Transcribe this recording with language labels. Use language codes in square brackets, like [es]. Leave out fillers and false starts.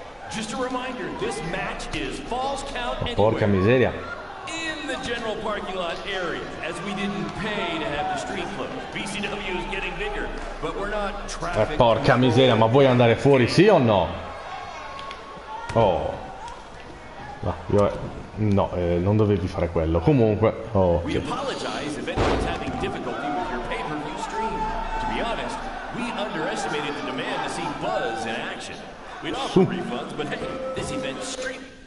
[en] Just a reminder, this match is false count. [it] Porca miseria. [en] In the general parking lot area, as we didn't pay to have the street closed. BCW is getting bigger, but we're not traffic. [it] Porca miseria, ma vuoi andare fuori, sì o no? Oh. No, io... No, non dovevi fare quello. Comunque... Oh. [en] We apologize if anyone's having difficulty with your pay-per-view stream. To be honest, we underestimated the demand to see Buzz in action. We'd offer refunds, but hey, this event stream...